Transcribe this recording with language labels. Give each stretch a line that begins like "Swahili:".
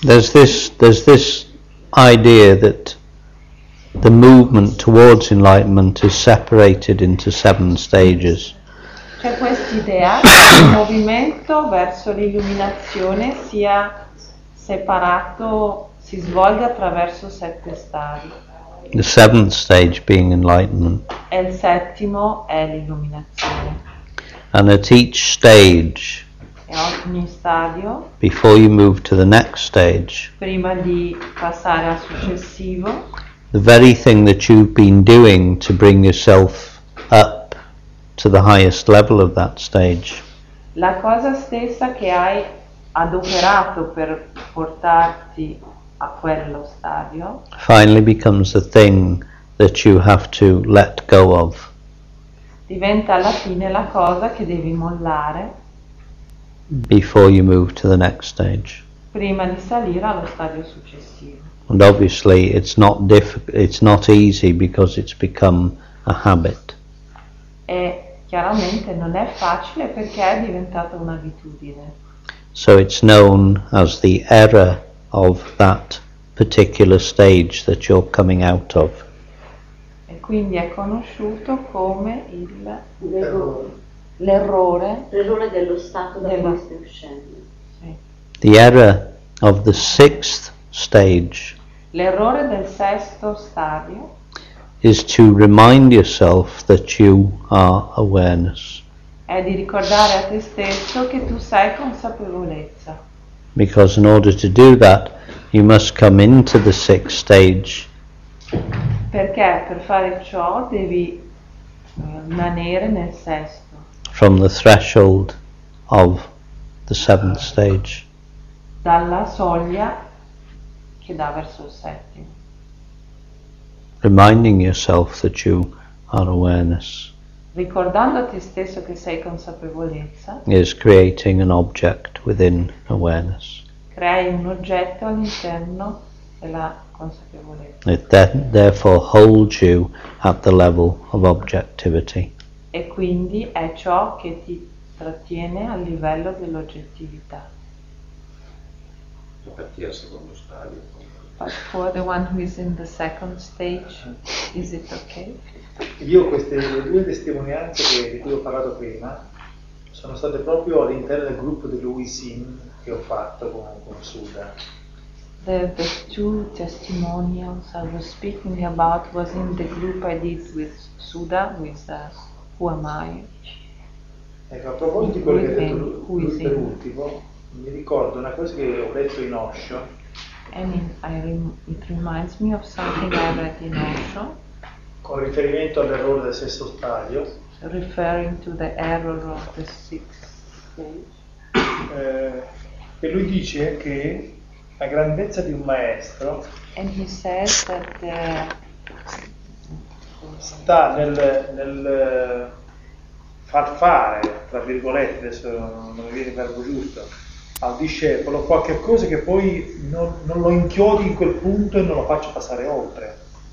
English: There's this idea that the movement towards enlightenment is separated into seven stages.
Italian: C'è quest'idea che il movimento verso l'illuminazione sia separato, si svolga attraverso sette stadi.
English: The seventh stage being enlightenment.
Italian: E il settimo è l'illuminazione.
English: And at each stage,
Italian: ogni stadio,
English: before you move to the next stage,
Italian: prima di passare al successivo,
English: the very thing that you've been doing to bring yourself up to the highest level of that stage,
Italian: la cosa stessa che hai adoperato per portarti a quello stadio,
English: finally becomes the thing that you have to let go of.
Italian: Diventa alla fine la cosa che devi mollare.
English: Before you move to the next stage.
Italian: Prima di salire allo stadio successivo.
English: And obviously it's not easy because it's become a habit.
Italian: E chiaramente non è facile perché è diventata un'abitudine.
English: So it's known as the error of that particular stage that you're coming out of.
Italian: E quindi è conosciuto come il L'errore dello stato da cui stai uscendo.
English: The error of the sixth stage.
Italian: L'errore del sesto stadio.
English: Is to remind yourself that you are awareness.
Italian: È di ricordare a te stesso che tu sei consapevolezza.
English: Because in order to do that, you must come into the sixth stage.
Italian: Perché per fare ciò devi rimanere nel sesto.
English: From the threshold of the seventh stage.
Italian: Dalla soglia che dà verso il settimo.
English: Reminding yourself that you are awareness.
Italian: Ricordando a te stesso che sei consapevolezza.
English: Is creating an object within awareness.
Italian: Crei un oggetto all'interno della consapevolezza.
English: It then therefore holds you at the level of objectivity.
Italian: E quindi è ciò che ti trattiene a livello dell'oggettività. Partire al secondo stadio.
English: But for the one who is in the second stage, is it okay?
Italian: Io queste due testimonianze di cui ho parlato prima sono state proprio all'interno del gruppo di Luisin che ho fatto con Suda.
English: The two testimonials I was speaking about was in the group I did with Suda, with who am I?
Italian: Ecco, a proposito di quello che ho detto per ultimo, mi ricordo una cosa che ho letto in Osho.
English: It reminds me of something I read in Osho.
Italian: Con riferimento all'errore del sesto stadio.
English: Referring to the error of the sixth stage.
Italian: E lui dice che la grandezza di un maestro.
English: And he says that
Italian: sta nel far fare, tra virgolette, adesso non mi viene il verbo giusto, al discepolo qualche cosa che poi non lo inchiodi in quel punto e non lo faccio passare oltre.